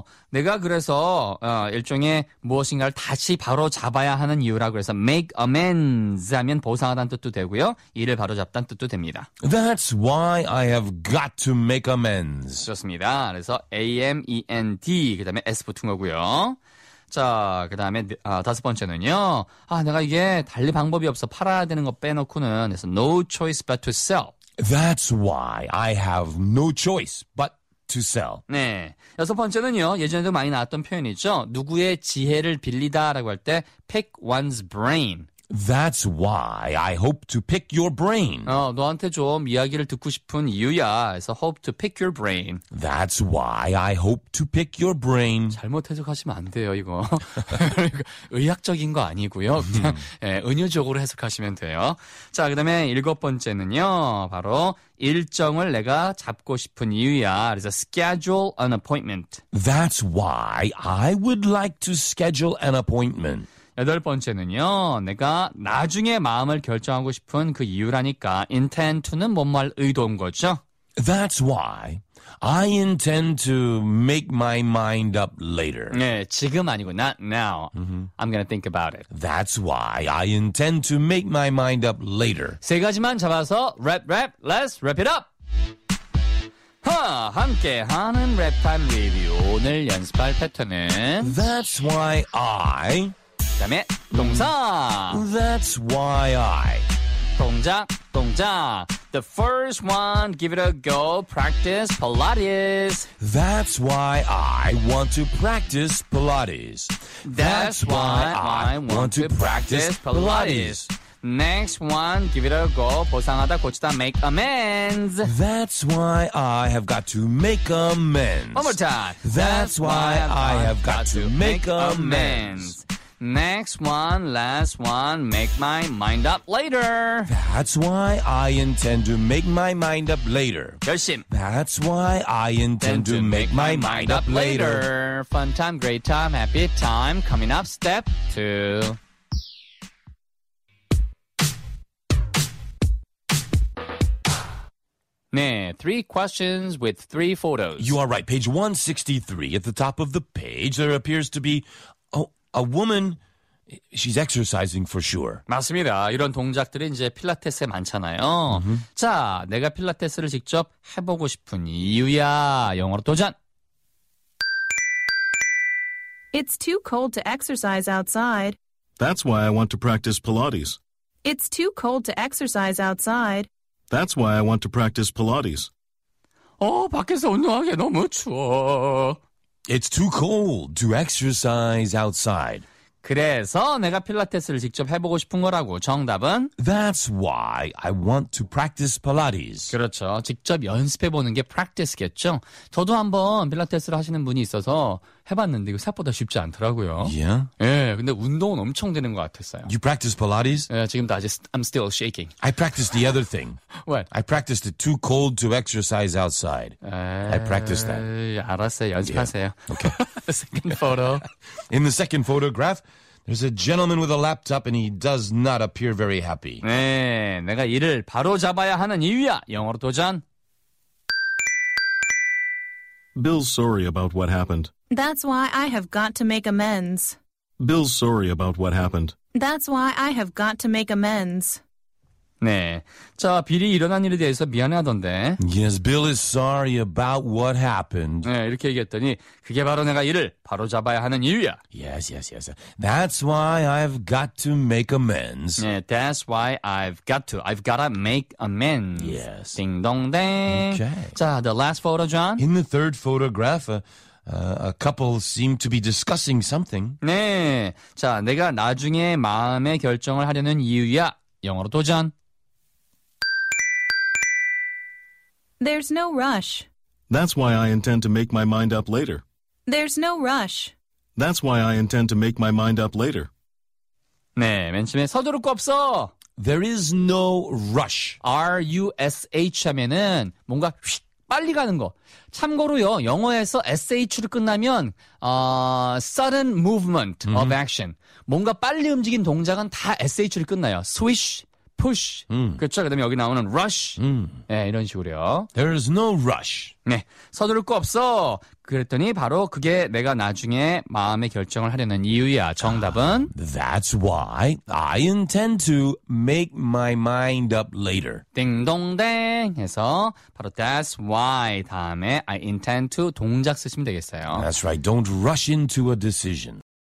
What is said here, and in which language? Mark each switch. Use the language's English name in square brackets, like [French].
[Korean] 내가 그래서 일종의 무엇인가를 다시 바로 잡아야 하는 이유라고 해서 [English] make amends [Korean] 하면 보상하다는 뜻도 되고요. 일을 바로 잡다는 뜻도 됩니다. [English] That's why I have got to make amends. [Korean] 좋습니다. 그래서 A-M-E-N-D 그 다음에 S 붙은 거고요. 자, 그 다음에 다섯 번째는요. 아, 내가 이게 달리 방법이 없어. 팔아야 되는 거 빼놓고는. 그래서 [English] no choice but to sell. That's why I have no choice but to sell. [Korean] 네, 여섯 번째는요. 예전에도 많이 나왔던 표현이죠. 누구의 지혜를 빌리다라고 할 때 [English] pick one's brain. That's why I hope to pick your brain. [Korean] 너한테 좀 이야기를 듣고 싶은 이유야. 그래서 [English] hope to pick your brain. That's why I hope to pick your brain. [Korean] 잘못 해석하시면 안 돼요, 이거. 의학적인 거 아니고요. 그냥 예, 은유적으로 해석하시면 돼요. 자, 그다음에 일곱 번째는요. 바로 일정을 내가 잡고 싶은 이유야. 그래서 [English] schedule an appointment. That's why I would like to schedule an appointment. [Korean] 여덟 번째는요. 내가 나중에 마음을 결정하고 싶은 그 이유라니까 [English] intend to [Korean] 는 뭔 말 의도인 거죠? [English] That's why I intend to make my mind up later. [Korean] 네, 지금 아니고 [English] not now. Mm-hmm. I'm going to think about it. That's why I intend to make my mind up later. [Korean] 세 가지만 잡아서 랩 랩 [English] let's wrap it up. [Korean] 함께하는 랩타임 리뷰 오늘 연습할 패턴은 [English] That's why I [Korean] 그다음에 동사. [English] That's why I. [Korean] 동작, 동작. [English] The first one, give it a go. Practice Pilates. That's why I want to practice Pilates. That's why I want to practice Pilates. Next one, give it a go. [Korean] 보상하다, 고치다, [English] make amends. That's why I have got to make amends. One more time. That's why I have got to make amends. Next one, last one, make my mind up later. That's why I intend to make my mind up later. [Korean] 열심. [English] That's why I intend to make my mind up later. Fun time, great time, happy time. Coming up, step two. 네, three questions with three photos. You are right. Page 163. At the top of the page, there appears to be a woman... She's exercising for sure. [Korean] 맞습니다. 이런 동작들이 이제 필라테스에 많잖아요. Mm-hmm. 자, 내가 필라테스를 직접 해보고 싶은 이유야. 영어로 도전! [English] It's too cold to exercise outside. That's why I want to practice Pilates. It's too cold to exercise outside. That's why I want to practice Pilates. [Korean] 밖에서 운동하기 너무 추워. [English] It's too cold to exercise outside. [Korean] 그래서 내가 필라테스를 직접 해보고 싶은 거라고 정답은 [English] That's why I want to practice Pilates. [Korean] 그렇죠. 직접 연습해보는 게 practice겠죠. 저도 한번 필라테스를 하시는 분이 있어서 해봤는데 이거 생각보다 쉽지 않더라고요. [English] Yeah? [Korean] 예, 근데 운동은 엄청 되는 것 같았어요. [English] You practice Pilates? [Korean] 예, 지금도 아직 [English] I'm still shaking. I practiced the other thing. What? I practiced it too cold to exercise outside. I practiced that. [Korean] 알았어요. 연습하세요. [English] Yeah. Okay. Second photo. In the second photograph, there's a gentleman with a laptop and he does not appear very happy. [Korean] 네, 내가 일을 바로 잡아야 하는 이유야. 영어로 도전. [English] Bill's sorry about what happened. That's why I have got to make amends. Bill's sorry about what happened. That's why I have got to make amends. [Korean] 네, 자, 빌이 일어난 일에 대해서 미안해하던데. [English] Yes, Bill is sorry about what happened. [Korean] 네, 이렇게 얘기했더니 그게 바로 내가 일을 바로잡아야 하는 이유야. [English] Yes, yes, yes. That's why I've got to make amends. [Korean] 네, [English] that's why I've got to make amends. Yes. [Korean] 딩동댕. [English] Okay. 자, the last photo, John. In the third photograph, a couple seem to be discussing something. [Korean] 네, 자, 내가 나중에 마음의 결정을 하려는 이유야. 영어로 도전. [English] There's no rush. That's why I intend to make my mind up later. There's no rush. That's why I intend to make my mind up later. [Korean] 네, 맨 처음에 서두를 거 없어. [English] There is no rush. [Korean] R-U-S-H 하면은 뭔가 휙 빨리 가는 거. 참고로요, 영어에서 SH로 끝나면 [English] sudden movement of action. [Korean] 뭔가 빨리 움직인 동작은 다 SH로 끝나요. [English] Swish, push, [Korean] 그렇죠? 그 다음에 여기 나오는 rush. 네, 이런 식으로요. [English] There is no rush. [Korean] 네, 서두를 거 없어. 그랬더니 바로 그게 내가 나중에 마음의 결정을 하려는 이유야. 정답은? [English] That's why I intend to make my mind up later. [Korean] 띵동댕 해서 바로 [English] that's why [Korean] 다음에 [English] I intend to [Korean] 동작 쓰시면 되겠어요. [English] That's right. Don't rush into a decision.